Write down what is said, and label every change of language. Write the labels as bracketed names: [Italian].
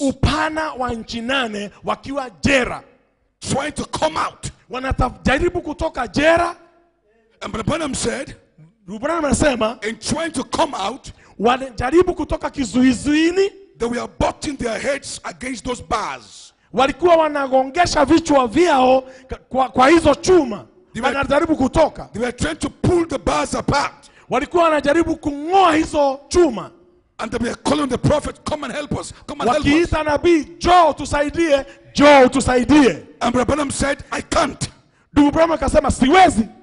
[Swahili] Upana wa inchi nane, wakiwa jera. [English] Trying to come out. [Swahili] Wanajaribu kutoka jera. [English] And Brother Branham said, [Swahili] Brother Branham asema, [English] and trying to come out, [Swahili] wanajaribu kutoka kizuizuini, [English] they were butting their heads against those bars. [Swahili] Walikuwa wanagongesha vichwa vyao kwa hizo chuma. Wanajaribu kutoka. [English] They were trying to pull the bars apart. [Swahili] Walikuwa wanajaribu kung'oa hizo chuma. [English] And they were calling the prophet, come and help us. Come and help us. [Swahili] Wakiita nabii, "Joe tusaidie, Joe tusaidie." [English] And Brother Branham said, "I can't." [Swahili] Ndugu Branham akasema, "Siwezi."